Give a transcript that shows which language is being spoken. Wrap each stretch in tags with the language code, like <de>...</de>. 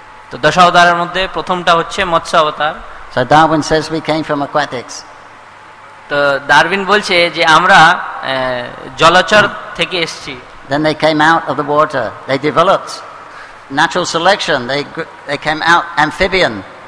<bn>তো দশাবতারের মধ্যে প্রথমটা হচ্ছে মৎস্য অবতার.</bn> <en>So Darwin says we came from aquatics.</en> <bn>তো ডারউইন বলছে যে আমরা জলচর থেকে এসেছি.</bn> <en>Then they came out of the water. They developed natural selection. They came out amphibian.</en>